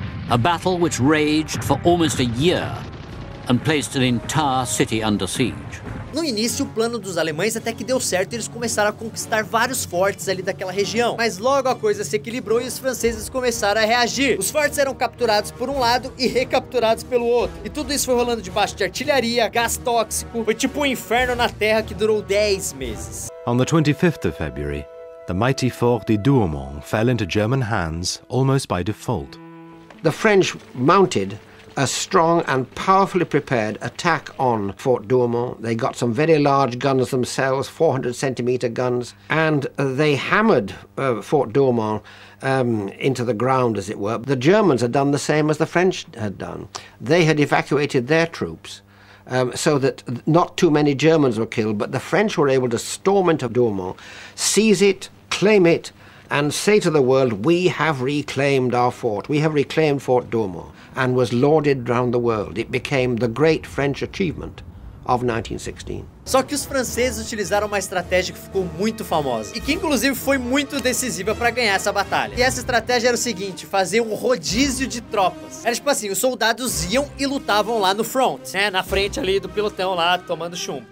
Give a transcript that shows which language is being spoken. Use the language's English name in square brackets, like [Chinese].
[English] A battle which raged for almost a year and placed an entire city under siege. [Portuguese] No início, o plano dos alemães até que deu certo e eles começaram a conquistar vários fortes ali daquela região. Mas logo a coisa se equilibrou e os franceses começaram a reagir. Os fortes eram capturados por um lado e recapturados pelo outro. E tudo isso foi rolando debaixo de artilharia, gás tóxico. Foi tipo um inferno na terra que durou 10 meses. [English] On the 25th of February, the mighty fort de Douaumont fell into German hands almost by default. The French mounted a strong and powerfully prepared attack on Fort Douaumont. They got some very large guns themselves, 400 centimeter guns, and they hammered Fort Douaumont into the ground, as it were. The Germans had done the same as the French had done. They had evacuated their troops so that not too many Germans were killed, but the French were able to storm into Douaumont, seize it, claim it, and say to the world, we have reclaimed our fort. We have reclaimed Fort Douaumont, and was lauded round the world. It became the great French achievement of 1916. [Portuguese] Só que os franceses utilizaram uma estratégia que ficou muito famosa e que inclusive foi muito decisiva para ganhar essa batalha. E essa estratégia era o seguinte: fazer um rodízio de tropas. Era tipo assim, os soldados iam e lutavam lá no front, né, na frente ali do pelotão lá, tomando chumbo.